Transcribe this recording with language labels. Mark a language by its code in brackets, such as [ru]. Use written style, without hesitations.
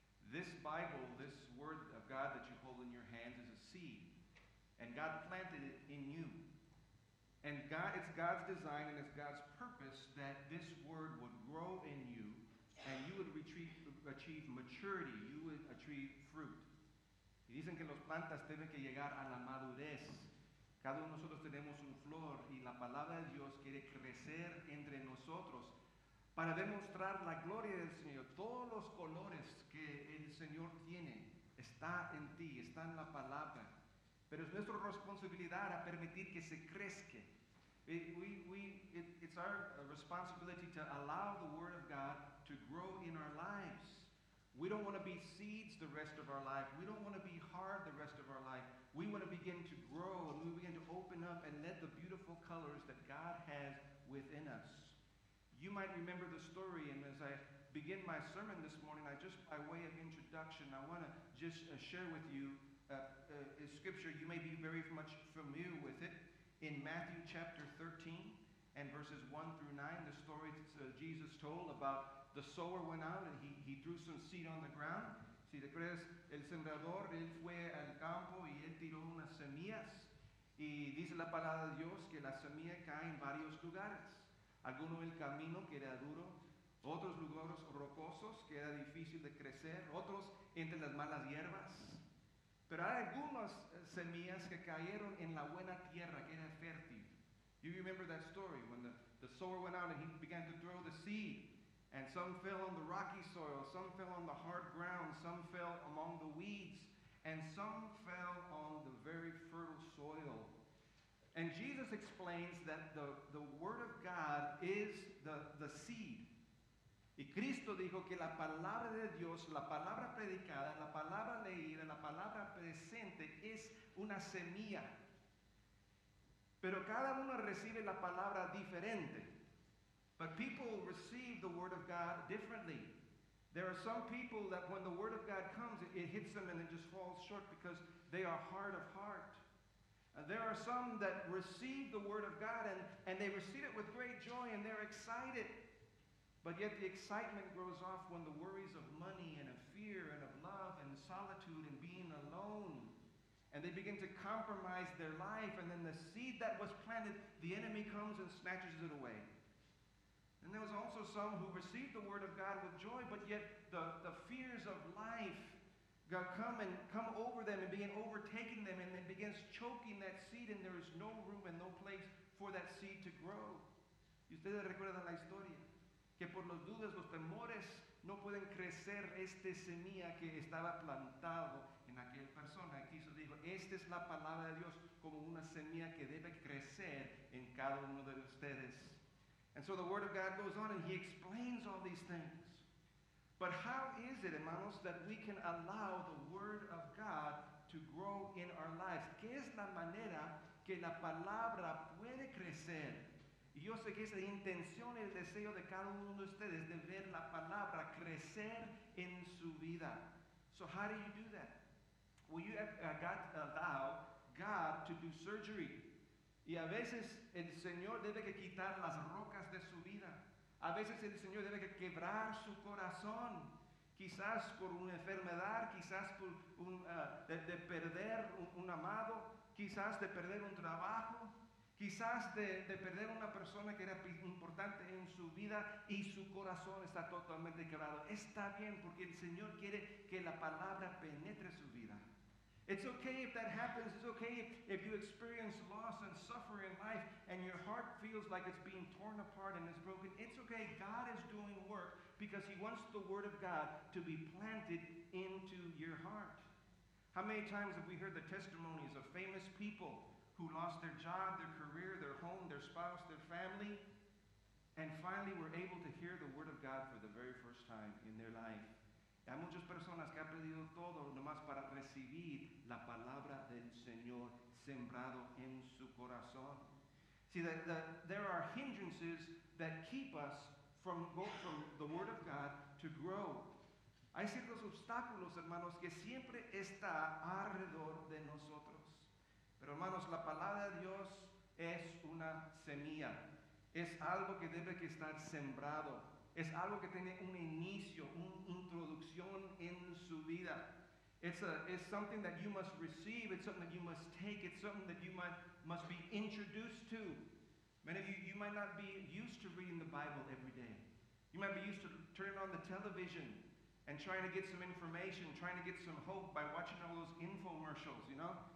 [en] This Bible, this Word of God that you hold in your hands is a seed, and God planted it in you. And God, it's God's design and it's God's purpose that this Word would grow in you and you would achieve maturity, you would achieve fruit. [es] Y dicen que las plantas tienen que llegar a la madurez. Cada uno de nosotros tenemos una flor y la palabra de Dios quiere crecer entre nosotros. Para demostrar la gloria del Señor, todos los colores que el Señor tiene está en ti, está en la palabra. Pero es nuestra responsabilidad a permitir que se crezca. [en] It's our responsibility to allow the Word of God to grow in our lives. We don't want to be seeds the rest of our life. We don't want to be hard the rest of our life. We want to begin to grow, and we begin to open up and let the beautiful colors that God has within us. You might remember the story, and as I begin my sermon this morning, I just, by way of introduction, I want to just share with you a scripture you may be very much familiar with it. In Matthew chapter 13 and verses 1 through 9, the story Jesus told about the sower went out and he threw some seed on the ground. [es] Si te crees, el sembrador, él fue al campo y él tiró unas semillas. Y dice la palabra de Dios que la semilla cae en varios lugares. Alguno el camino que era duro, otros lugares rocosos que era difícil de crecer, otros entre las malas hierbas. Pero hay algunas semillas que cayeron en la buena tierra, que era fértil. [en] You remember that story when the sower went out and he began to throw the seed. And some fell on the rocky soil, some fell on the hard ground, some fell among the weeds, and some fell on the very fertile soil. And Jesus explains that the Word of God is the seed. [es] Y Cristo dijo que la palabra de Dios, la palabra predicada, la palabra leída, la palabra presente es una semilla. Pero cada uno recibe la palabra diferente. [en] But people receive the Word of God differently. There are some people that when the Word of God comes, it hits them and it just falls short because they are hard of heart. There are some that receive the Word of God and they receive it with great joy and they're excited. But yet the excitement grows off when the worries of money and of fear and of love and solitude and being alone, and they begin to compromise their life, and then the seed that was planted, the enemy comes and snatches it away. And there was also some who received the Word of God with joy, but yet the fears of life got come over them and begin overtaking them, and then begins choking that seed, and there is no room and no place for that seed to grow. [es] ¿Y ustedes recuerdan la historia? Que por los dudas, los temores, no pueden crecer este semilla que estaba plantado en aquella persona. Aquí se dijo, esta es la palabra de Dios como una semilla que debe crecer en cada uno de ustedes. [en] And so the Word of God goes on and he explains all these things. But how is it, hermanos, that we can allow the Word of God to grow in our lives? [es] ¿Qué es la manera que la palabra puede crecer? Y yo sé que es la intención y el deseo de cada uno de ustedes de ver la palabra crecer en su vida. [en] So how do you do that? Well, you have got to allow God to do surgery. [es] Y a veces el Señor debe que quitar las rocas de su vida. A veces el Señor debe que quebrar su corazón. Quizás por una enfermedad, quizás por de perder un amado, quizás de perder un trabajo. Quizás de perder una persona que era importante en su vida y su corazón está totalmente quebrado. Está bien porque el Señor quiere que la palabra penetre su vida. [en] It's okay if that happens. It's okay if you experience loss and suffering in life and your heart feels like it's being torn apart and it's broken. It's okay. God is doing work because he wants the Word of God to be planted into your heart. How many times have we heard the testimonies of famous people who lost their job, their career, their home, their spouse, their family, and finally were able to hear the Word of God for the very first time in their life. [es] Hay muchas personas que han perdido todo nomás para recibir la palabra del Señor sembrado en su corazón. [en] See, there are hindrances that keep us from the Word of God to grow. [es] Hay ciertos obstáculos, hermanos, que siempre está alrededor de nosotros. Pero hermanos, la palabra de Dios es una semilla. Es algo que debe que estar sembrado. Es algo que tiene un inicio, una introducción en su vida. [en] It's something that you must receive. It's something that you must take. It's something that you must be introduced to. Many of you might not be used to reading the Bible every day. You might be used to turning on the television and trying to get some information, trying to get some hope by watching all those infomercials, you know?